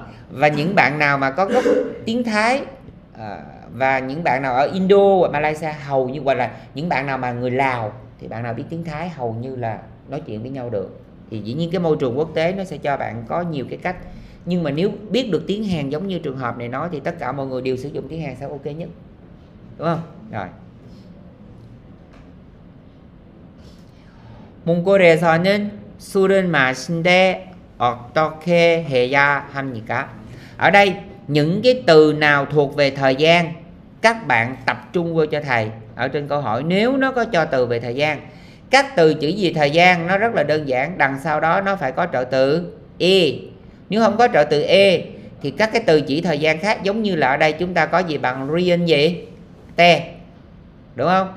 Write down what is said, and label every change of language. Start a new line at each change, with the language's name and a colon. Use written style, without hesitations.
Vietnamese: Và những bạn nào mà có gốc tiếng Thái, và những bạn nào ở Indo và Malaysia hầu như, hoặc là những bạn nào mà người Lào thì bạn nào biết tiếng Thái hầu như là nói chuyện với nhau được. thì dĩ nhiên cái môi trường quốc tế nó sẽ cho bạn có nhiều cái cách. Nhưng mà nếu biết được tiếng Hàn giống như trường hợp này nói thì tất cả mọi người đều sử dụng tiếng Hàn sẽ ok nhất, đúng không? Rồi.
Korean: 몽골에서는 술을 마신 데 어떻게 해야 합니까?
Vietnamese: Ở đây những cái từ nào thuộc về thời gian các bạn tập trung vô cho thầy ở trên câu hỏi. Nếu nó có cho từ về thời gian, các từ chữ gì thời gian nó rất là đơn giản, đằng sau đó nó phải có trợ từ e. Nếu không có trợ từ e thì các cái từ chỉ thời gian khác, giống như là ở đây chúng ta có gì bằng riêng gì te, đúng không?